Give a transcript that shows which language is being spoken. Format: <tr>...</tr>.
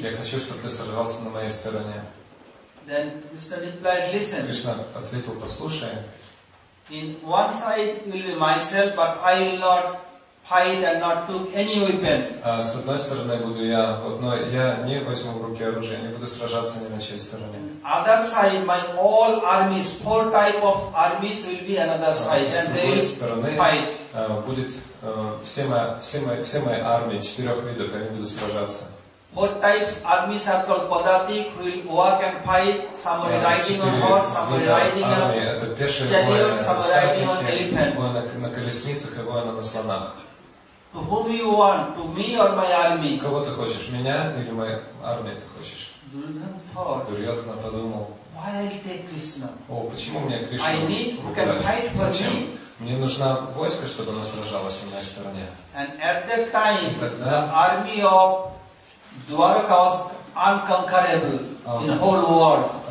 <ru>Я хочу, чтобы ты сражался на моей стороне.</ru> <en>Then Krishna replied, listen.</en> <ru>Кришна ответил, послушай.</ru> <en>In one side will be myself, but I will not fight and not took any weapon.</en> <ru>С одной стороны буду я, вот, но я не возьму в руки оружие, не буду сражаться ни на чьей стороне.</ru> <en>Other side, my all armies, four type of armies will be another side, and they will</en> <ru>стороны,</ru> <en>fight.</en> <ru>Будет все мои армии четырех видов, они будут сражаться.</ru> <en>Four types armies are called Padatik, who will walk and fight, some are riding on horse, some are riding on chariot, some are riding on elephant.</en> <ru>Воины на колесницах и воины на слонах.</ru> <en>To whom you want, to me or my army?</en> <ru>Кого ты хочешь, меня или моя армия ты хочешь? Дурьотхана подумал.</ru> <en>Why I'll take Krishna?</en> <ru>О, почему мне Кришну</ru> <en>I need who can fight for</en> <ru>зачем?</ru> <en>Me.</en> <ru>Мне нужно войско, чтобы оно сражалось на моей стороне.</ru> <en>And at that time, the army of Dwaraka was unconquerable in the whole world.</en>